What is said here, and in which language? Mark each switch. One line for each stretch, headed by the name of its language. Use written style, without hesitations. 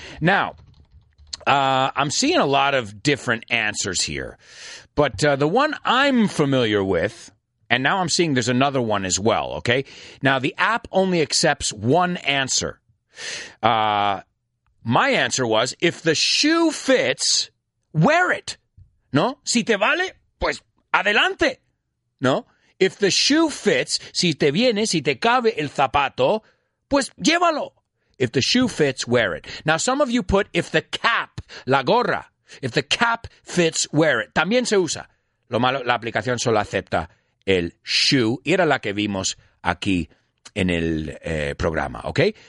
English: Now, I'm seeing a lot of different answers here, but the one I'm familiar with, and now I'm seeing there's another one as well, okay? Now, the app only accepts one answer. My answer was, if the shoe fits, wear it.
Spanish: No? Si te vale, pues adelante. No?
English: If the shoe fits,
Spanish: si te viene, si te cabe el zapato, pues llévalo.
English: If the shoe fits, wear it. Now, some of you put, if the cap,
Spanish: la gorra,
English: if the cap fits, wear it.
Spanish: También se usa. Lo malo, la aplicación solo acepta el shoe. Era la que vimos aquí en el programa, okay?